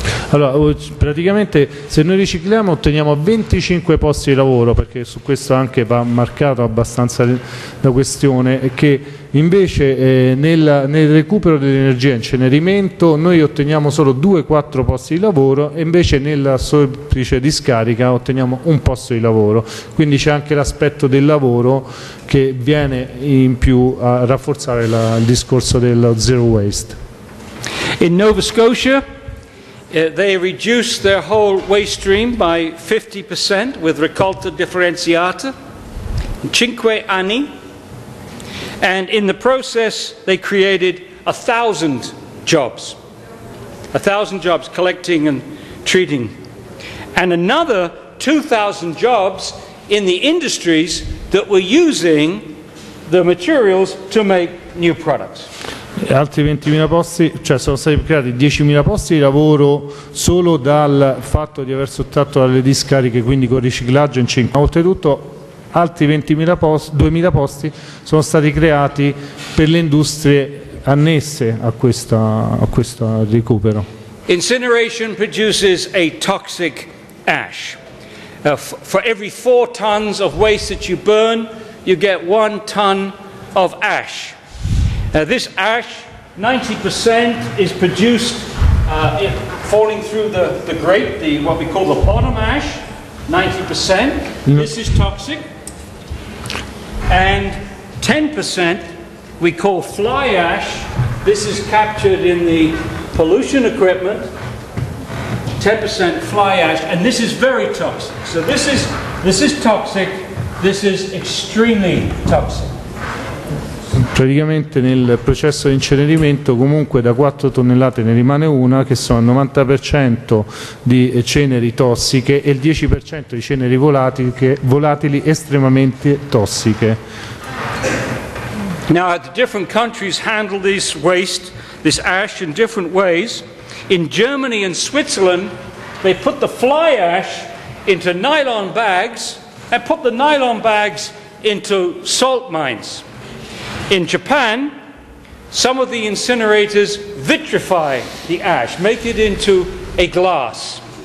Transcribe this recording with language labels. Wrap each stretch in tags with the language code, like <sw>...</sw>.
<it>Allora, praticamente se noi ricicliamo otteniamo 25 posti di lavoro, perché su questo anche va marcato abbastanza la questione, che invece nel recupero dell'energia, incenerimento, noi otteniamo solo 2-4 posti di lavoro, e invece nella semplice discarica otteniamo un posto di lavoro. Quindi c'è anche l'aspetto del lavoro che viene in più a rafforzare il discorso del zero waste.</it> <en>In Nova Scotia they reduce their whole waste stream by 50% with</en> <it>raccolta differenziata in 5 anni,</it> <en>and in the process they created 1,000 jobs collecting and treating, and another 2,000 jobs in the industries that were using the materials to make new products.</en> <it>Altri 20.000 posti, cioè sono stati creati 10.000 posti di lavoro solo dal fatto di aver sottratto dalle discariche, quindi con riciclaggio in 5. Oltretutto altri 2.000 posti sono stati creati per le industrie annesse a questo recupero.</it> <en>Incineration produces a toxic ash. For every 4 tons of waste that you burn, you get 1 ton of ash. This ash, 90% is produced falling through the grate, what we call the bottom ash, 90%. Mm. This is toxic. And 10% we call fly ash. This is captured in the pollution equipment. 10% fly ash, and this is very toxic. So this is toxic. This is extremely toxic.</en> <it>Praticamente nel processo di incenerimento comunque da 4 tonnellate ne rimane una, che sono il 90% di ceneri tossiche e il 10% di ceneri volatili estremamente tossiche.</it> <en>Now the different countries handle this waste, this ash, in different ways. In Germany and Switzerland they put the fly ash into nylon bags and put the nylon bags into salt mines. In Japan, some of the incinerators vitrify the ash, make it into a glass.</en>